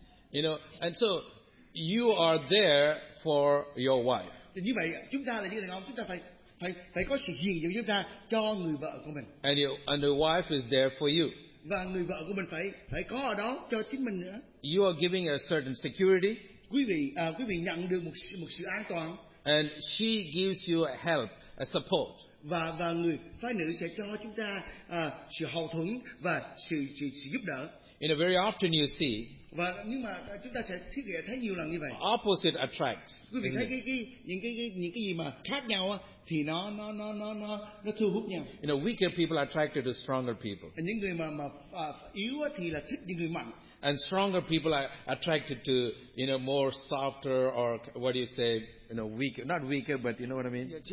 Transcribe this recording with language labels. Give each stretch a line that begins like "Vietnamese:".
English: You know, and so you are there for your wife.
Vietnamese: Như vậy chúng ta là như đàn ông, chúng ta phải có sự hiện diện chúng ta cho người vợ của mình.
English: And your wife is there for you.
Vietnamese: Và người vợ của mình phải có ở đó cho chính mình nữa.
English: You are giving a certain security.
Vietnamese: Quý vị nhận được một sự an toàn.
English: And she gives you a help, a support.
Vietnamese: Và người phái nữ sẽ cho chúng ta sự hậu thuẫn và sự giúp đỡ.
English: In a very often you see.
Vietnamese: Và nhưng mà chúng ta sẽ thấy nhiều lần như vậy.
English: Opposite attracts.
Vietnamese: Quý vị thấy những cái gì mà khác nhau á, thì nó thu hút nhau.
English: You know, weaker people are attracted to stronger people.
Vietnamese: Những người mà yếu á, thì là thích những người mạnh.
English: And stronger people are attracted to, you know, more softer or what do you say, you know, weaker, not weaker, but you know what I mean?